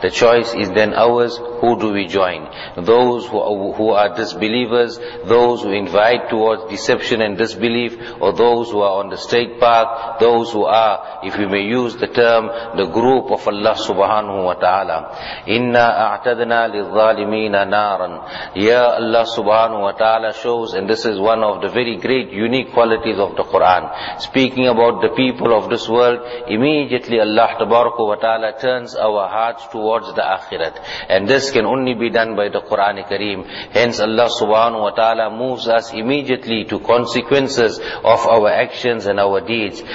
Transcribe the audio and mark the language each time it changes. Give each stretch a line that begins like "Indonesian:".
English: The choice is then ours, who do we join? Those who are disbelievers, those who invite towards deception and disbelief, or those who are on the straight path, those who are, if we may use the term, the group of Allah subhanahu wa ta'ala.
Arabic: إنا أعتدنا للظالمين نارا.
English: Ya Allah subhanahu wa ta'ala shows, and this is one of the very great unique qualities of the Quran, speaking about the people of this world, immediately Allah tabaraka wa ta'ala turns our hearts towards the akhirat. And this can only be done by the Quran Kareem. Hence Allah subhanahu wa ta'ala moves us immediately to consequences of our actions and our deeds.